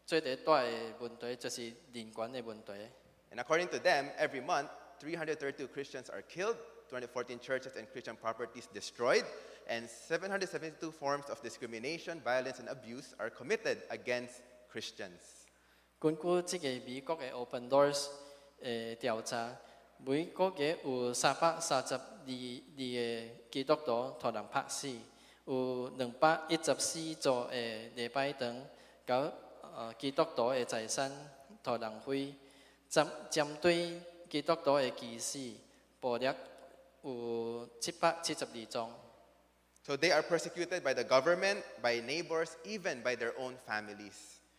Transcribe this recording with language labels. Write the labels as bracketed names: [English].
[English] And according to them, every month, 332 Christians are killed, 214 churches and Christian properties destroyed, and 772 forms of discrimination, violence, and abuse are committed against Christians. [Min Nan Chinese] 根据这个美国的 Open Doors 调查，每个月有332的基督徒被人拍死，有214座的礼拜堂，搞基督徒的财产被人毁，针对基督徒的歧视，暴力有772宗。 [English] So they are persecuted by the government, by neighbors, even by their own families.